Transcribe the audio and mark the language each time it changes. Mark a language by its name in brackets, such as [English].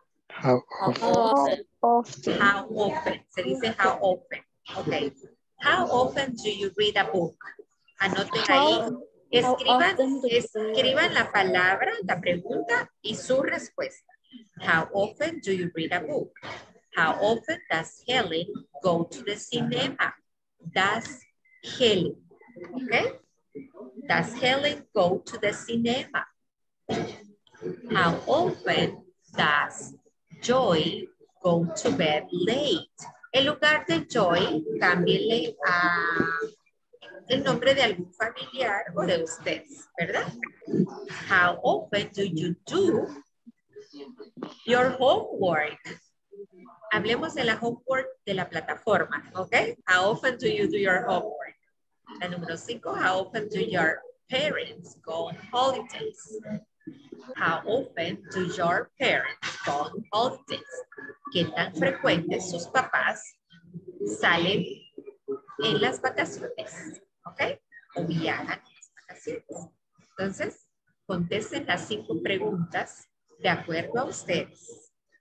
[English] How often. How often. [Spanish] Se dice [English] how often. Ok. How often do you read a book? [Spanish] Anoten ahí. Escriban la palabra, la pregunta y su respuesta. [English] How often do you read a book? How often does Helen go to the cinema? Does Helen, okay? Does Helen go to the cinema? How often does Joy go to bed late? [Spanish] En lugar de Joy, cámbiele a el nombre de algún familiar o de ustedes, ¿verdad? [English] How often do you do your homework? [Spanish] Hablemos de la homework de la plataforma, ¿ok? [English] How often do you do your homework? [Spanish] La número 5, [English] how often do your parents go on holidays? How often do your parents go on holidays? [Spanish] ¿Qué tan frecuente sus papás salen en las vacaciones? ¿Ok? O viajan en las vacaciones. Entonces, contesten las 5 preguntas de acuerdo a ustedes.